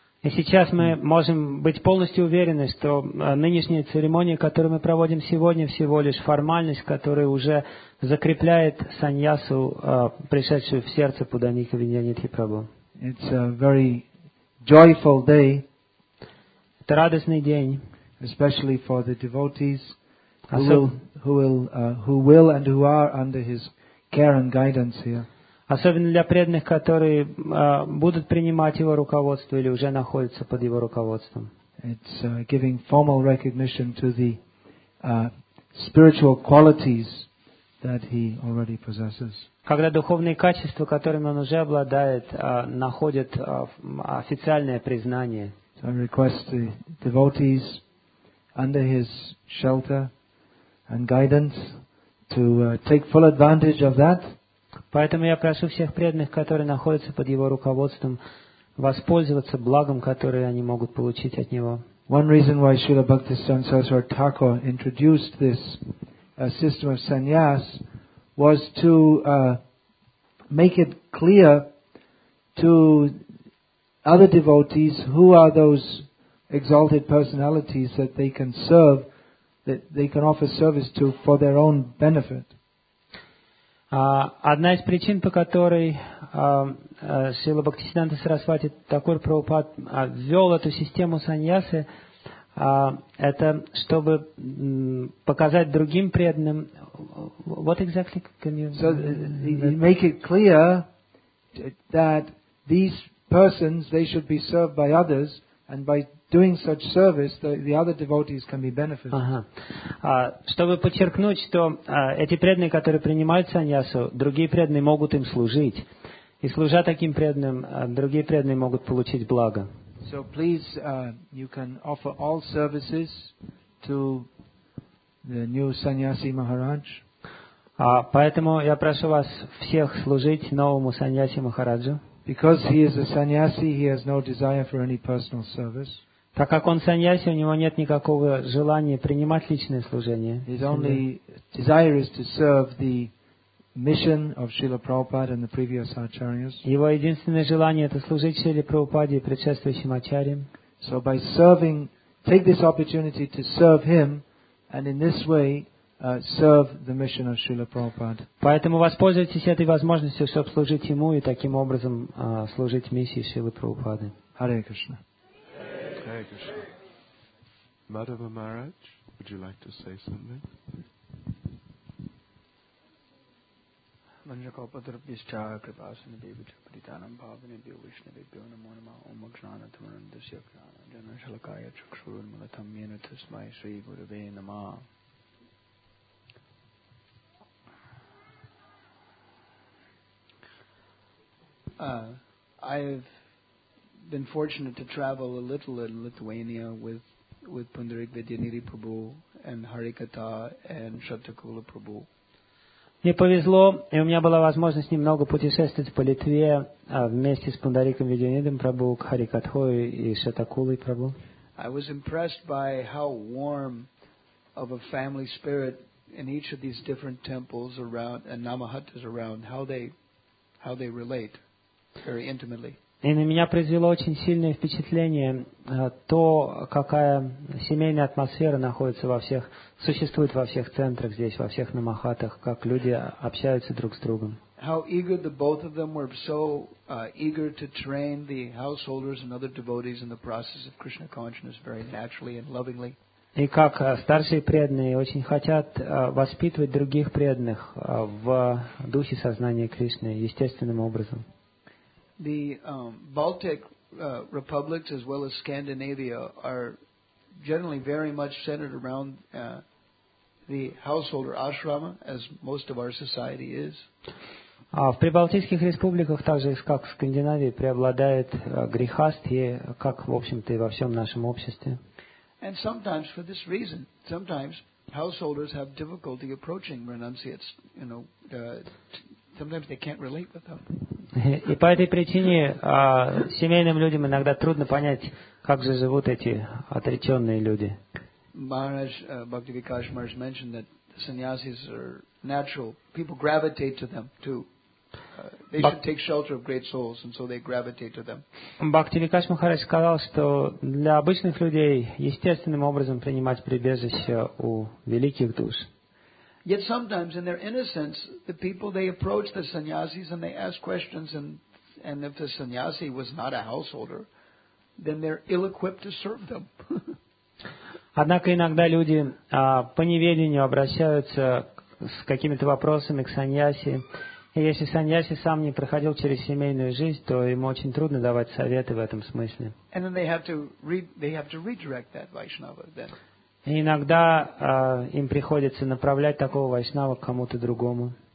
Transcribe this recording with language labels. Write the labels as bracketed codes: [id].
[ru] И сейчас мы можем быть полностью уверены, что нынешняя церемония, которую мы проводим сегодня, всего лишь формальность, которая уже закрепляет саньясу, пришедшую в сердце Пуданика Виньянитхи Прабху. [en] It's a very joyful day. [ru] Это радостный день. [en] Especially for the devotees who will and who are under his care and guidance here. [ru] Особенно для преданных, которые будут принимать его руководство или уже находятся под его руководством. [en] It's giving formal recognition to the spiritual qualities that he already possesses. [ru] Когда духовные качества, которыми он уже обладает, находят официальное признание. [en] So I request the devotees under his shelter and guidance to take full advantage of that. [ru] Поэтому я прошу всех преданных, которые находятся под его руководством, воспользоваться благом, которое они могут получить от него. [en] One reason why Srila Bhaktisiddhanta Saraswati Thakur introduced this system of sannyas was to make it clear to other devotees who are those exalted personalities that they can serve, that they can offer service to for their own benefit. [ru] Одна из причин, по которой Шрила Бхактисиддханта Сарасвати Такур Прабхупад ввел эту систему саньясы, это чтобы показать другим преданным. [en] What exactly can you? So make it clear that these persons they should be served by others, and by doing such service, the other devotees can be benefited. [ru] Чтобы подчеркнуть, что эти преданные, которые принимают саньясу, другие преданные могут им служить. И служа таким преданным, другие преданные могут получить благо. [en] So please, you can offer all services to the new sannyasi Maharaj. [ru] Поэтому я прошу вас всех служить новому саньяси Махараджу. [en] Because he is a sannyasi, he has no desire for any personal service. [ru] Так как он саньяси, у него нет никакого желания принимать личное служение. [en] His only desire is to serve the mission of Srila Prabhupada and the previous acharyas. [ru] Его единственное желание – это служить Шриле Прабхупаде и предшествующим ачарьям. [en] So by serving, take this opportunity to serve him, and in this way, serve the mission of Srila Prabhupada. [ru] Поэтому воспользуйтесь этой возможностью, чтобы служить ему и таким образом служить миссии Шрилы Прабхупады. [en] Hare Krishna. Hare Krishna. Madhava Maharaj, would you like to say something? Manjakopadra Bhishchaya Kripasana Bhivacha Pritanam Bhavani Bhivishna Bhivyona Monama Omakshana Thumanam Dasyakrana Jana Shalakaya Chakshurun Malatham Yena Tasmai Sri Gurave Namah. I've been fortunate to travel a little in Lithuania with Pundarik Vidyanidhi Prabhu and Harikatha and Shatakula Prabhu. [ru] Мне повезло, и у меня была возможность немного путешествовать по Литве вместе с Пундариком Видьянидхи Прабху, к Харикатхой и Шатакулой Прабху. [en] I was impressed by how warm of a family spirit in each of these different temples around and Namahattas around, how they relate. Very intimately. [ru] И на меня произвело очень сильное впечатление то, какая семейная атмосфера находится во всех, существует во всех центрах здесь, во всех намахатах, как люди общаются друг с другом. [en] How eager the both of them were, so eager to train the householders and other devotees in the process of Krishna consciousness very naturally and lovingly. [ru] И как старшие преданные очень хотят воспитывать других преданных в духе сознания Кришны естественным образом. [en] the Baltic republics as well as Scandinavia are generally very much centered around the household or ashrama, as most of our society is. [ru] А в прибалтийских республиках, так же как в Скандинавии, преобладает грехастье, как, в общем-то, и во всем нашем обществе. [en] And sometimes for this reason, sometimes householders have difficulty approaching renunciates, you know, sometimes they can't relate with them. [ru] И по этой причине семейным людям иногда трудно понять, как же живут эти отреченные люди. [en] Maharaj Bhakti Vikash Maharaj mentioned that sannyasis are natural. People gravitate to them too. They should take shelter of great souls, and so they gravitate to them. [ru] Бхакти Викаш Махарадж сказал, что для обычных людей естественным образом принимать прибежище у великих душ. [en] Yet sometimes, in their innocence, the people they approach the sannyasis and they ask questions, and if the sannyasi was not a householder, then they're ill-equipped to serve them. [ru] Однако иногда люди по неведению обращаются с какими-то вопросами к саньяси. И если саньяси сам не проходил через семейную жизнь, то ему очень трудно давать советы в этом смысле. Иногда им приходится направлять такого вайшнава к кому-то другому.